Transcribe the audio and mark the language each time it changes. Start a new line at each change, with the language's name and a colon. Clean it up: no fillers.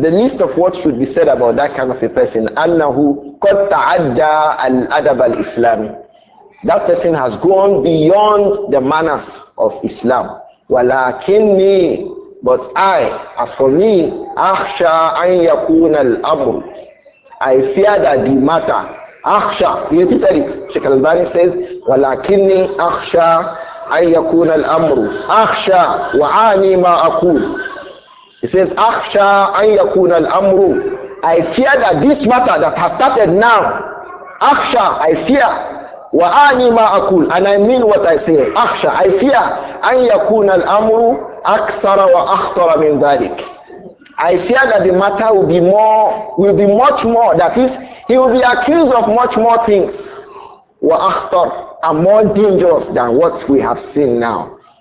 English: The least of what should be said about that kind of a person,
Arabic: أَنَّهُ قَدْ تَعَدَّى الْأَدَبَ الْإِسْلَامِ.
English: That person has gone beyond the manners of Islam.
Arabic: وَلَكِنِّي.
English: But I, as for me,
Arabic: أَخْشَى أَنْ يَكُونَ الْأَمْرُ.
English: I fear that the matter,
Arabic: أَخْشَى.
English: He repeated it. Sheikh Al-Albani says,
Arabic: وَلَكِنِّي أَخْشَى أَنْ يَكُونَ الْأَمْرُ أَخْشَى وَعَانِي مَا أَقُولُ.
English: He says,
Arabic: أَخْشَى أَنْ يَكُونَ الْأَمْرُ.
English: I fear that this matter that has started now,
Arabic: أَخْشَى,
English: I fear,
Arabic: وَعَانِي مَا أَقُولُ,
English: and I mean what I say, أَخْشَى, I fear,
Arabic: أَنْ يَكُونَ الْأَمْرُ أَكْثَرَ وَأَخْطَرَ مِنْ ذَلِكَ.
English: I fear that the matter will be more, will be much more, that is, he will be accused of much more things,
Arabic: وَأَخْطَرَ,
English: are more dangerous than what we have seen now.